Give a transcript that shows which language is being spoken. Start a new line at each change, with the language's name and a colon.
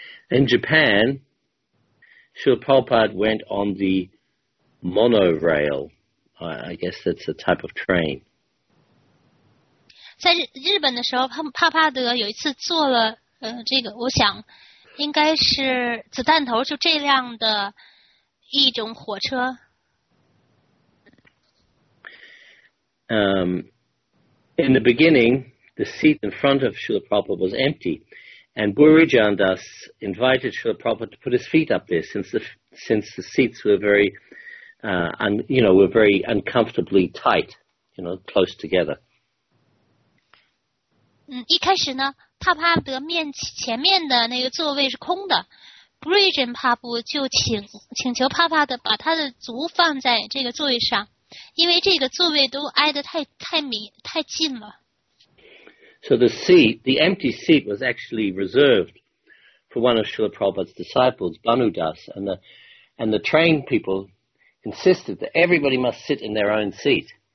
English: In Japan, Srila Prabhupada went on the monorail. I guess that's a type of train.
Chinese: 在日本的时候，帕帕德有一次坐了这个，我想应该是子弹头，就这辆的一种火车。
English: In the beginning, the seat in front of Srila Prabhupada was empty, and Bhurijan Das invited Srila Prabhupada to put his feet up there since the seats were very, were very uncomfortably tight, you know, close together.
Chinese: 一开始呢，帕帕德面前面的那个座位是空的 ，Bhurijan 帕布就请求帕帕德把他的足放在这个座位上。因为这个座位都挨得太近了。
English: So the seat, the empty seat was actually reserved for one of Srila Prabhupada's disciples, Banu Das, and the trained people insisted that everybody must sit in their own seat.